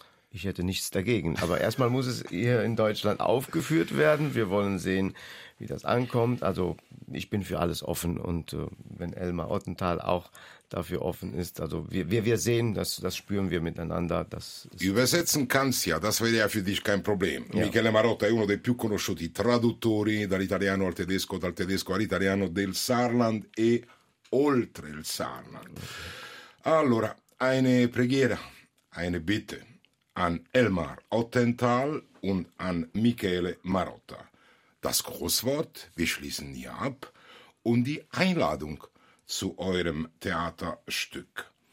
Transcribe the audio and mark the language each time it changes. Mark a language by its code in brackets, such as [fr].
[de] Ich hätte nichts dagegen, aber erstmal muss es hier in Deutschland aufgeführt werden. Wir wollen sehen, wie das ankommt. Also ich bin für alles offen, und wenn Elmar Ottenthal auch dafür offen ist, also wir sehen, das spüren wir miteinander. Das übersetzen kannst ja, das wäre ja für dich kein Problem. Ja. [it] Michele Marotta è uno dei più conosciuti traduttori dall'italiano al tedesco, dal tedesco all'italiano, del Saarland e oltre il Saarland. [de] Allora, eine preghiera, eine Bitte an Elmar Ottenthal und an Michele Marotta. Das Grußwort, wir schließen hier ab, und die Einladung zu eurem Theaterstück.